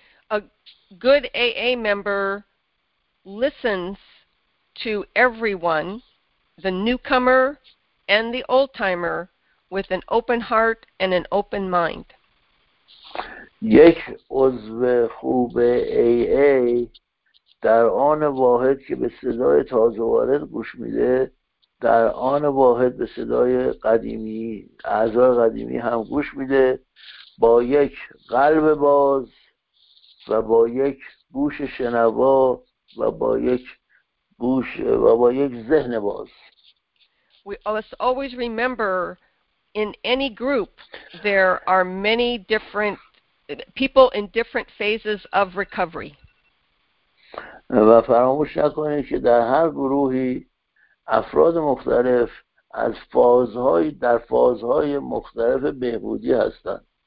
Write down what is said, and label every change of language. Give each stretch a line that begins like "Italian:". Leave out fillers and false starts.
English: A good AA member listens to everyone, the newcomer and the old timer, with an open heart and an open mind.
Persian: یک عضو خوب AA در آن واحد که به صدای تازه وارد گوش میده، در آن واحد به صدای قدیمی، اعضای قدیمی هم گوش میده، با یک قلب باز و با یک گوش شنوا و با یک گوش و با یک ذهن باز.
English: We must always remember in any group there are many different people in different phases of recovery.
Persian: و فراموش نکنید که در هر گروهی افراد مختلف از فازهای در فازهای مختلف بهبودی هستند.